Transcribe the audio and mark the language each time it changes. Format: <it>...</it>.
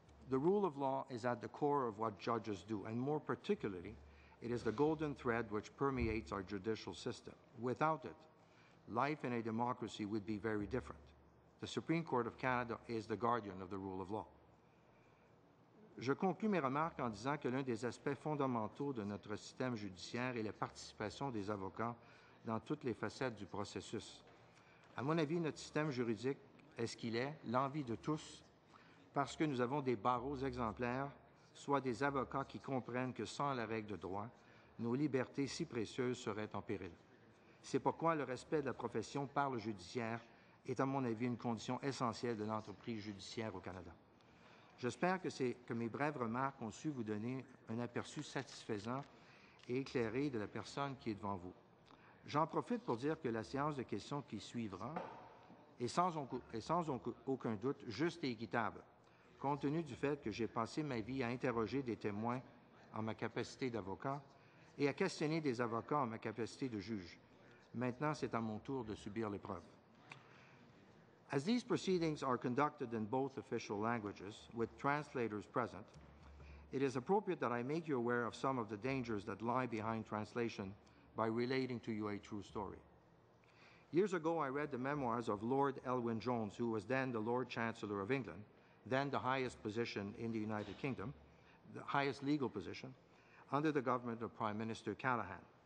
<en>The rule of law is at the core of what judges do, and more particularly, it is the golden thread which permeates our judicial system. Without it, life in a democracy would be very different. The Supreme Court of Canada is the guardian of the rule of law.</en> <fr>Je conclue mes remarques en disant que l'un des aspects fondamentaux de notre système judiciaire est la participation des avocats dans toutes les facettes du processus. À mon avis, notre système juridique est ce qu'il est, l'envie de tous, parce que nous avons des barreaux exemplaires, soit des avocats qui comprennent que sans la règle de droit, nos libertés si précieuses seraient en péril. C'est pourquoi le respect de la profession par le judiciaire est, à mon avis, une condition essentielle de l'entreprise judiciaire au Canada. J'espère que mes brèves remarques ont su vous donner un aperçu satisfaisant et éclairé de la personne qui est devant vous. J'en profite pour dire que la séance de questions qui suivra est sans aucun doute juste et équitable, compte tenu du fait que j'ai passé ma vie à interroger des témoins en ma capacité d'avocat et à questionner des avocats en ma capacité de juge. Maintenant, c'est à mon tour de subir l'épreuve.</fr> <en>As these proceedings are conducted in both official languages, with translators present, it is appropriate that I make you aware of some of the dangers that lie behind translation by relating to you a true story. Years ago, I read the memoirs of Lord Elwin Jones, who was then the Lord Chancellor of England, then the highest position in the United Kingdom, the highest legal position, under the government of Prime Minister Callaghan.</en>